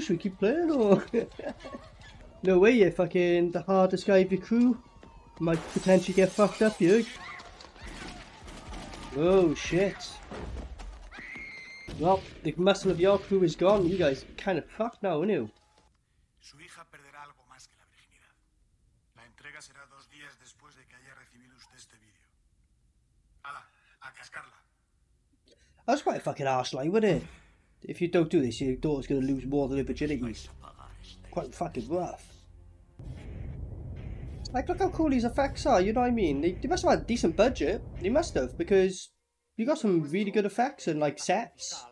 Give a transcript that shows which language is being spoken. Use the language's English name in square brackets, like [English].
[English] Should we keep playing or? No way, you're fucking the hardest guy of your crew. Might potentially get fucked up, you. Oh shit. Well, the muscle of your crew is gone. You guys are kind of fucked now, aren't you? [Spanish] Su hija perderá algo más que la virginidad. La entrega será dos días después de que haya recibido usted este video. Hala, a cascarla. [English] That's quite a fucking arse-like, wouldn't it? If you don't do this, your daughter's going to lose more than her virginity. Quite fucking rough. Like, look how cool these effects are, you know what I mean? They must have had a decent budget. They must have, because you got some really good effects and, like, sets.